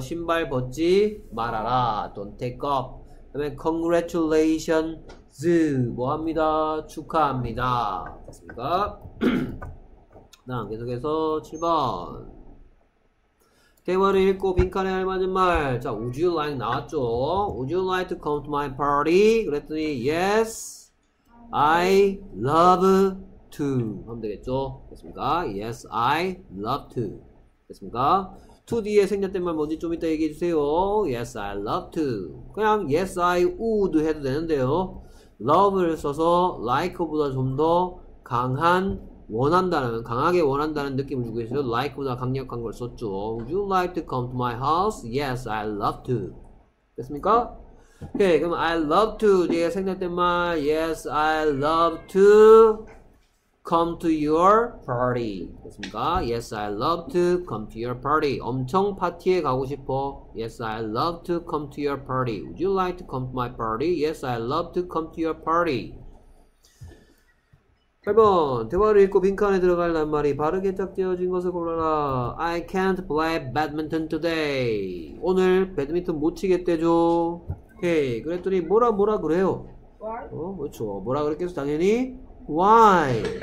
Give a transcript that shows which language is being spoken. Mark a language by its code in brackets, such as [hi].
[ko] 신발 벗지 말아라. [en] Don't take off. [ko] 그 다음에 Congratulations. 뭐합니다. 축하합니다. 됐습니까? 다음 계속해서 7번. 대화를 읽고 빈칸에 알맞은 말. 자, Would you like 나왔죠? [en] Would you like to come to my party? [ko] 그랬더니 [en] Yes, I love to. [ko] 하면 되겠죠? 됐습니까? [en] Yes, I love to. [ko] 됐습니까? To 뒤에 생략된 말 뭔지 좀 이따 얘기해 주세요. [en] Yes, I love to. 그냥 Yes, I would [ko] 해도 되는데요. Love를 써서 like보다 좀 더 강한 원한다는, 강하게 원한다는 느낌을 주고 있어요. Like보다 강력한 걸 썼죠. [en] Would you like to come to my house? Yes, I love to. [ko] 됐습니까? 오케이, 그럼 [en] I love to [ko] 뒤에 생략된 말. [en] Yes, I love to come to your party. [ko] 됐습니까? [en] Yes, I love to come to your party. [ko] 엄청 파티에 가고 싶어. [en] Yes, I love to come to your party. Would you like to come to my party? Yes, I love to come to your party. [ko] 8번 대화를 읽고 빈칸에 들어갈 낱말이 바르게 짝지어진 것을 골라라. [en] I can't play badminton today. [ko] 오늘 배드민턴 못 치겠대죠. 오케이. 그랬더니 뭐라 그래요? [en] Why? [ko] 어, 그렇죠. 뭐라 그랬겠어 당연히? Why?